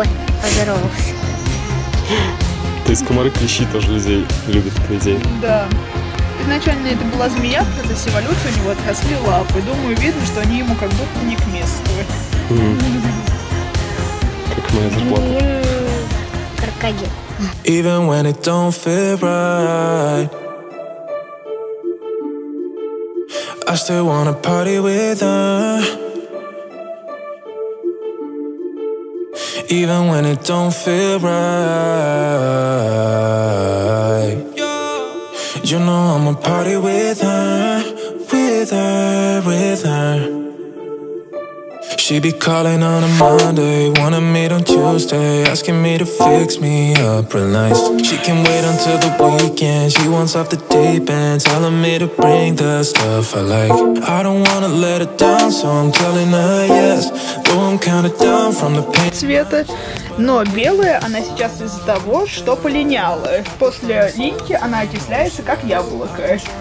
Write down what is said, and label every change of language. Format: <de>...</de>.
<ru>Ой, поздоровался. То есть комары клещи тоже людей любят, людей. Да. Изначально это была змея, то есть эволюция, у него отросли лапы. Думаю, видно, что они ему как будто не к месту. Как моя зарплата. Крокодил.</ru> <en>Even when it don't feel right, I still wanna party with her. Even when it don't feel right, you know I'ma party with her, with her, with her. She be calling on a Monday, wanna meet on Tuesday, asking me to fix me up real nice. She can wait until the weekend, she wants off the deep end, telling me to bring the stuff I like. I don't wanna let her down, so I'm telling her yes, though I'm kinda down from the pain.</en> <ru>Цвета, но белая она сейчас из-за того, что полиняла. После линьки она окисляется, как яблоко.</ru>